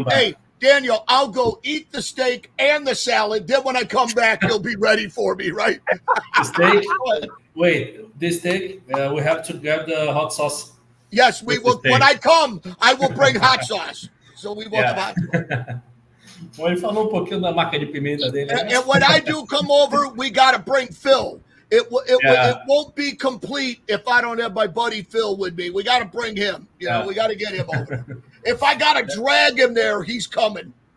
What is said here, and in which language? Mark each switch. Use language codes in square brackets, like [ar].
[en] Hey, Daniel, I'll go eat the steak and the salad. Then when I come back, you'll be ready for me, right? The steak. Wait, this steak. We have to grab the hot sauce. Yes, we will. When I come, I will bring hot sauce. So we will have hot sauce. [pt] Ele falou um pouquinho da marca de pimenta dele. [en] And when I do come over, we got to bring Phil. It won't be complete if I don't have my buddy Phil with me. We got to bring him. You know, we got to get him over. If I got to drag him there, he's coming.